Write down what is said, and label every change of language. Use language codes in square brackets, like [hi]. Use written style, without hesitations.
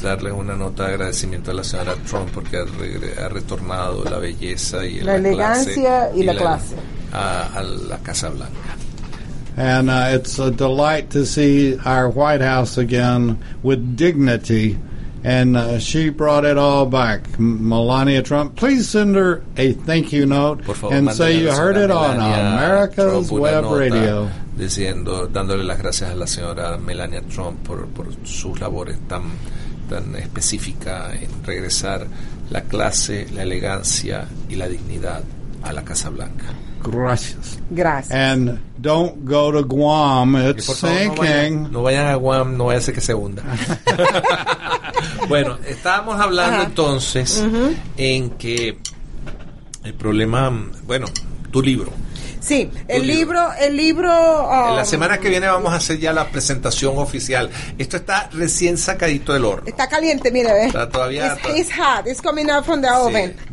[es] Darle una nota de agradecimiento a la señora Trump porque ha retornado la belleza y la elegancia y la clase a la Casa Blanca. [en] And it's a delight to see our White House again with dignity. And she brought it all back. Melania Trump, please send her a thank you note. [es] Por favor, [en] and say you heard it Melania on America's Trump, Web Radio. [es] Diciendo, dándole las gracias a la señora Melania Trump por sus labores tan, tan específicas en regresar la clase, la elegancia y la dignidad a la Casa Blanca. Gracias. Gracias. [en] And don't go to Guam. It's sinking. [es] No vayan a Guam, no vaya a ser que se hunda. Bueno, estábamos hablando entonces en que el problema, bueno, tu libro. Sí, el libro. En la semana que viene vamos a hacer ya la presentación oficial. Esto está recién sacadito del horno. Está caliente, mire, ¿eh? Está todavía. [en] It's hot, it's coming out from the oven.